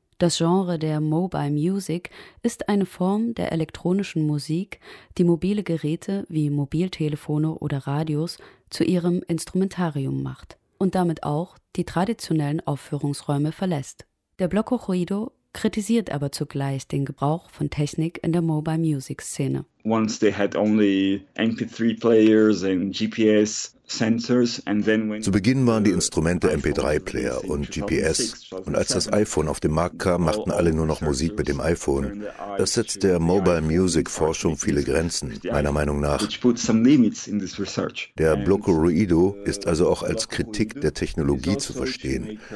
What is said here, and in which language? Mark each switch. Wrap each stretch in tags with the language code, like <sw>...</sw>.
<de>Das Genre der Mobile Music ist eine Form der elektronischen Musik, die mobile Geräte wie Mobiltelefone oder Radios zu ihrem Instrumentarium macht und damit auch die traditionellen Aufführungsräume verlässt. Der Blocco Ruido kritisiert aber zugleich den Gebrauch von Technik in der Mobile Music Szene.</de> <en>Once they had only MP3 players and GPS sensors and then when</en> <de>zu Beginn waren die Instrumente MP3 Player und GPS, und als das iPhone auf den Markt kam, machten alle nur noch Musik mit dem iPhone. Das setzt der Mobile Music Forschung viele Grenzen, meiner Meinung nach. Der Blocco Ruido ist also auch als Kritik der Technologie zu verstehen.</de>